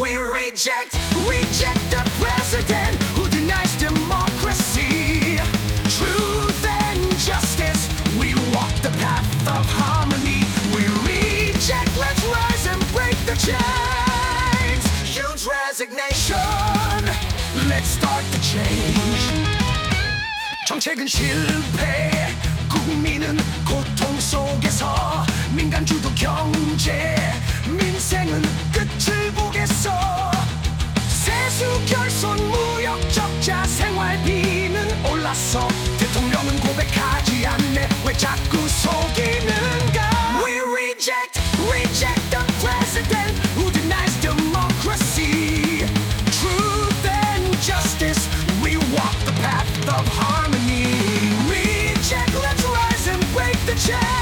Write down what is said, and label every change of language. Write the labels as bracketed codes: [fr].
[en] We reject, reject the president who denies democracy. Truth and justice, we walk the path of harmony. We reject, let's rise and break the chains. Huge resignation, let's start the change. [ko] 정책은 실패, 국민은 고통 속에서 민간주도 경제, 민생은 끝을 보겠어. 세수 결손 무역 적자 생활비는 올랐어. 대통령은 고백하지 않네. 왜 자꾸 속이는가. [en] We reject, reject the president who denies democracy. Truth and justice, we walk the path of harmony. Reject, let's rise and break the chains.